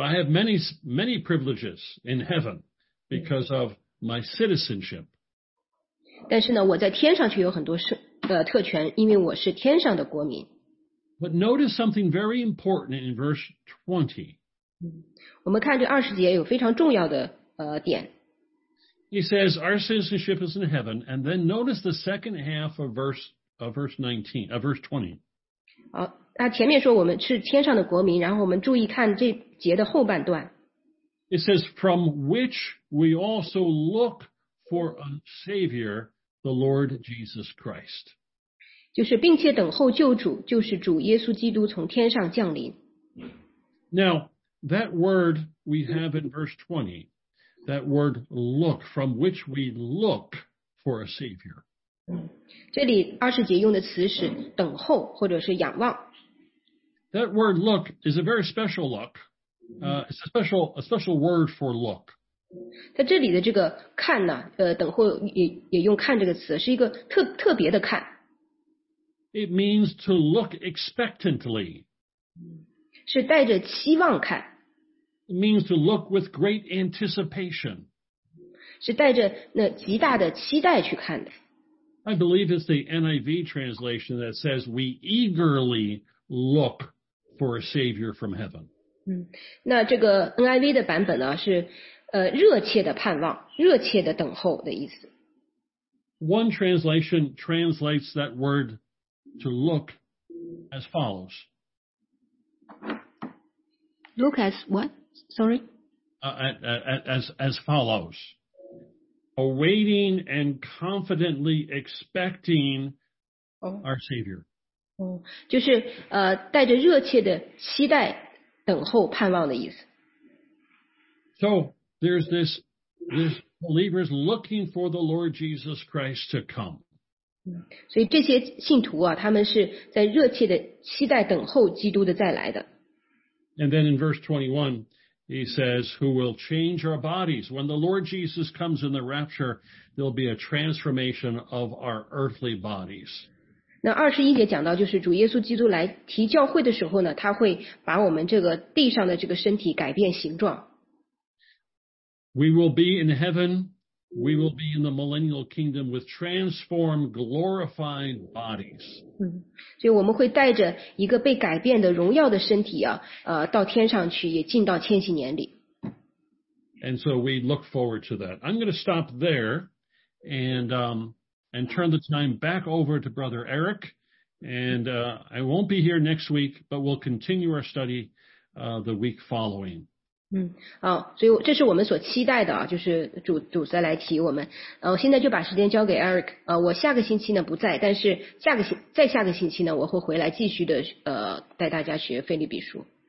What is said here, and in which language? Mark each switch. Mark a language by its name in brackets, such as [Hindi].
[English] I have many, many privileges in heaven because of my citizenship. [Chinese] 但是呢，我在天上却有很多特权，因为我是天上的国民。But [English] notice something very important in verse 20. [Chinese] 我们看这20节有非常重要的点。He [English] says, our citizenship is in heaven, and then notice the second half of verse 20. [Chinese] 好，那前面说我们是天上的国民，然后我们注意看这节的后半段。It [English] says, from which we also look for a Savior, the Lord Jesus Christ. [Chinese] 就是并且等候救主，就是主耶稣基督从天上降临。 [English] Now, that word we have in verse 20, that word look, from which we look for a savior. [Chinese] 这里二十节用的词是等候或者是仰望。 [English] That word look is a very special look. It's a special word for look. [Chinese] 在这里的这个看呢，等候也用看这个词，是一个特别的看。 [English] It means to look expectantly. [Chinese] 是带着期望看。 [English] It means to look with great anticipation. [Chinese] 是带着那极大的期待去看的。 [English] I believe it's the NIV translation that says we eagerly look for a savior from heaven. [Chinese] 那这个 NIV 的版本呢，是热切的盼望，热切的等候的意思。 [English] One translation translates that word to look as follows. Look as what? Sorry? As follows. Awaiting and confidently expecting our Savior. [Chinese] 就是带着热切的期待等候盼望的意思。 [English] So, there's this believers looking for the Lord Jesus Christ to come. [Chinese] 所以这些信徒啊，他们是在热切的期待等候基督的再来的。 [English] And then in verse 21, he says, who will change our bodies. When the Lord Jesus comes in the rapture, there'll be a transformation of our earthly bodies. [Chinese] 那二十一节讲到就是主耶稣基督来提教会的时候呢，他会把我们这个地上的这个身体改变形状。 [English] We will be in heaven. We will be in the millennial kingdom with transformed, glorified bodies. [Chinese] 所以我们会带着一个被改变的荣耀的身体啊，到天上去，也进到千禧年里。 [English] And so we look forward to that. I'm going to stop there and turn the time back over to Brother Eric. And I won't be here next week, but we'll continue our study the week following. [Chinese] 好，所以这是我们所期待的啊，就是主再来提我们。我现在就把时间交给 Eric。我下个星期呢不在，但是下个星期呢，我会回来继续的带大家学腓立比书。